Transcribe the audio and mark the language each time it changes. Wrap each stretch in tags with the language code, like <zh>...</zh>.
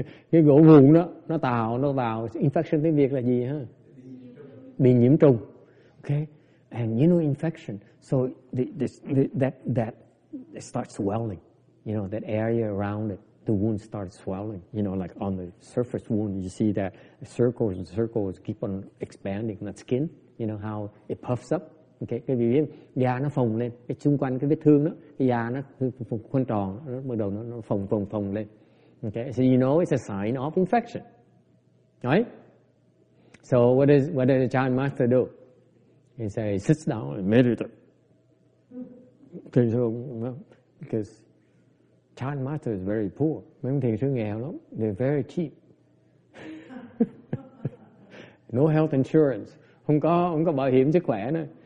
<vi>Cái gỗ vụn đó nó tạo infection, tiếng Việt là gì ha? Bị nhiễm trùng.</vi> <en>Okay, and you know infection, so that starts swelling, you know, that area around it, the wound starts swelling, you know, like on the surface wound, you see that circles and circles keep on expanding, that skin, you know, how it puffs up.</en> <vi>Okay, cái biểu hiện da nó phồng lên, cái xung quanh cái vết thương đó, cái da nó khuôn tròn, nó bắt đầu nó phồng lên.</vi> <en>Okay, so you know it's a sign of infection, right? So what does the chant master do? He says, sits down and meditate. Thiền sư, because chant master is very poor.</en> <vi>Mấy thiền sư nghèo lắm,</vi> <en>they're very cheap. No health insurance,</en> <vi>không có bảo hiểm sức khỏe nữa.</vi>